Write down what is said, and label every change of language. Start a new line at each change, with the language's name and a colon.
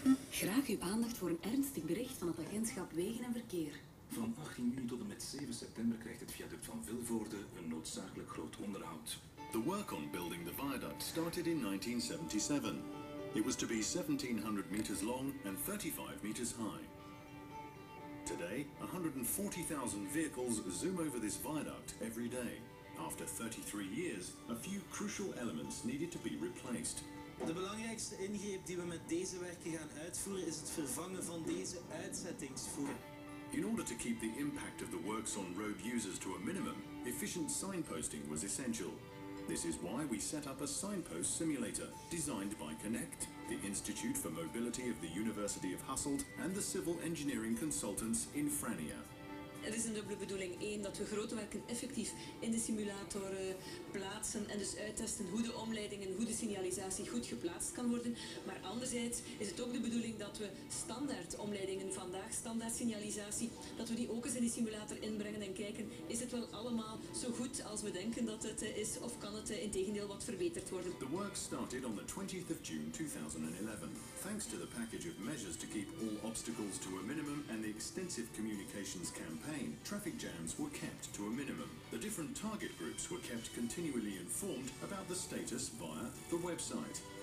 Dutch: Graag uw aandacht voor een ernstig bericht van het agentschap Wegen en Verkeer. Van 18 juni tot en met 7 september krijgt het viaduct van Vilvoorde een noodzakelijk groot onderhoud.
English: The work on building the viaduct started in 1977. It was to be 1700 meters long and 35 meters high. Today, 140,000 vehicles zoom over this viaduct every day. After 33 years, a few crucial elements needed to be replaced.
Dutch: De belangrijkste ingreep die we met deze werken gaan uitvoeren is het vervangen van deze uitzettingsvoer.
English: In order to keep the impact of the works on road users to a minimum, efficient signposting was essential. This is why we set up a signpost simulator designed by Connect, the Institute for Mobility of the University of Hasselt and the civil engineering consultants in Frania.
Dutch: Het is een dubbele bedoeling. Eén, dat we grote werken effectief in de simulator plaatsen en dus uittesten hoe de omleiding en hoe de signalisatie goed geplaatst kan worden. Maar anderzijds is het ook de bedoeling dat we standaard omleidingen vandaag, standaard signalisatie, dat we die ook eens in de simulator inbrengen en kijken, is het wel allemaal zo goed als we denken dat het is of kan het in tegendeel wat verbeterd worden.
English: The work started on the 20th of June 2011. Thanks to the package of measures to keep all obstacles to a minimum and the extensive communications campaign, traffic jams were kept to a minimum. The different target groups were kept continually informed about the status via the website.